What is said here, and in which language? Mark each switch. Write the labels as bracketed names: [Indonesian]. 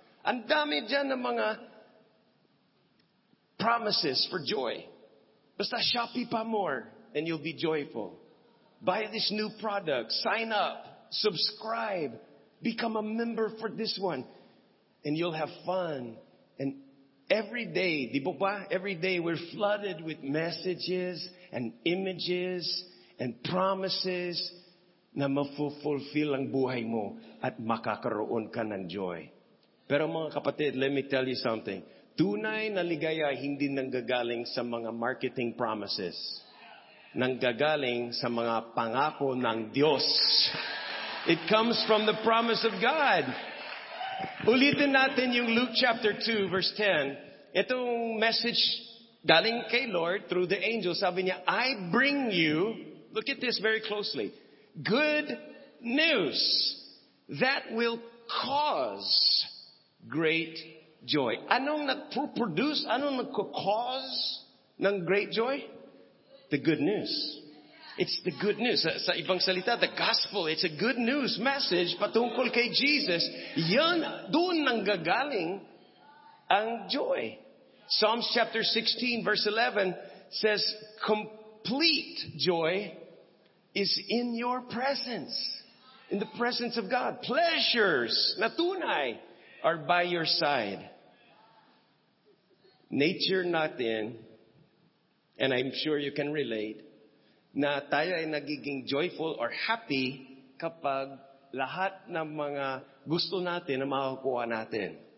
[Filipino] Ang dami dyan ng mga promises for joy. Basta shopee pa more [English] and you'll be joyful. Buy this new product, sign up. Subscribe, become a member for this one, and you'll have fun. And every day, [Filipino] di ba ba? [English] Every day we're flooded with messages and images and promises [Filipino] na mafulfill ang buhay mo at makakaroon ka ng [English] joy. [Filipino] Pero mga kapatid, [English] let me tell you something. [Filipino] Tunay na ligaya hindi nanggagaling sa mga marketing promises. Nanggagaling sa mga pangako ng Diyos. [English] It comes from the promise of God. [Filipino] Ulitin natin yung [English] Luke chapter 2, verse 10. [Filipino] Itong message galing kay Lord through the angel. Sabi niya, [English] I bring you, look at this very closely, good news that will cause great joy. [Filipino] Anong nagproduce, anong nagkakause ng [English] great joy? The good news. It's the good news. [Filipino] Sa ibang salita, [English] the gospel, it's a good news message [Filipino] patungkol kay [English] Jesus. [Filipino] Yan, doon nanggagaling ang joy. [English] Psalms chapter 16, verse 11 says, complete joy is in your presence. In the presence of God. Pleasures, [Filipino] na tunay, [English] are by your side. [Filipino] Nature natin, [English] and I'm sure you can relate, [Filipino] na tayo ay nagiging joyful or happy kapag lahat ng mga gusto natin na makukuha natin.